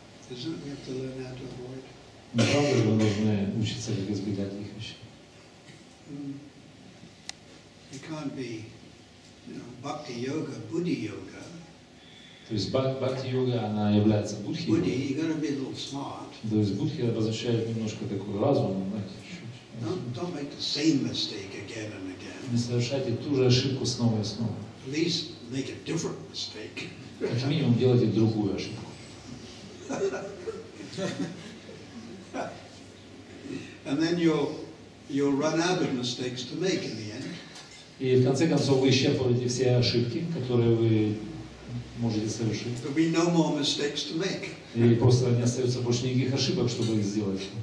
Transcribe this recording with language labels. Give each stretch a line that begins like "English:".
English: Isn't we have to learn how to avoid?
Russian: Не правда же, мы должны учиться, как избегать их вещей.
English: It can't be, you know, bhakti yoga, buddhi yoga.
Russian: То есть бхакти йога, она является будхи.
English: Buddhi, you're gonna be a little smart.
Russian: То есть будхи обозначает немножко такой разум, знаете.
English: Don't make the same mistake again and again.
Russian: Не совершайте ту же ошибку снова и снова.
English: At least make a different mistake.
Russian: Как минимум делайте другую ошибку.
English: And then you'll run out of mistakes to make in the end.
Russian: И в конце концов вы исчерпываете все ошибки, которые вы можете совершить.
English: There'll be no more mistakes to make.
Russian: И просто не остается больше никаких ошибок, чтобы их сделать.